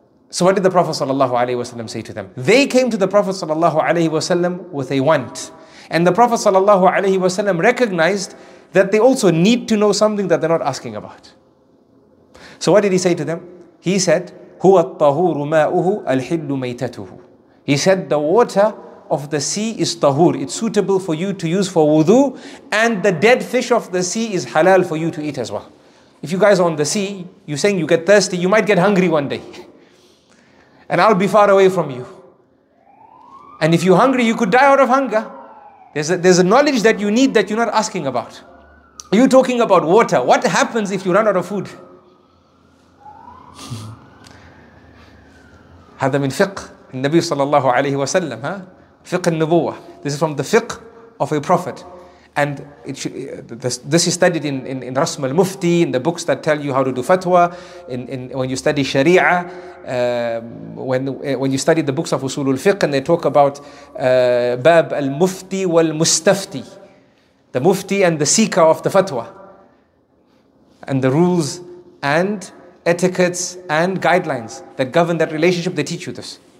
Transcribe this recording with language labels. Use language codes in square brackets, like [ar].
[en] So what did the Prophet sallallahu alaihi wasallam say to them? They came to the Prophet sallallahu alaihi wasallam with a want. And the Prophet sallallahu alaihi wasallam recognized that they also need to know something that they're not asking about. So what did he say to them? He said, [ar] هُوَ الطَّهُورُ مَاؤُهُ الْحِلُّ مَيْتَتُهُ. [en] He said, the water of the sea is tahur. It's suitable for you to use for wudu. And the dead fish of the sea is halal for you to eat as well. If you guys are on the sea, you're saying you get thirsty, you might get hungry one day. And I'll be far away from you. And if you're hungry, you could die out of hunger. There's a knowledge that you need that you're not asking about. You're talking about water. What happens if you run out of food? [ar] هذا من فقه النبي صلى الله عليه وسلم. فقه النبوة. [en] This is from the fiqh of a prophet. And this is studied in Rasm al-Mufti, in the books that tell you how to do fatwa, when you study Sharia, when you study the books of Usul al-Fiqh, and they talk about Bab al-Mufti wal-Mustafti, the Mufti and the seeker of the fatwa, and the rules and etiquettes and guidelines that govern that relationship, they teach you this.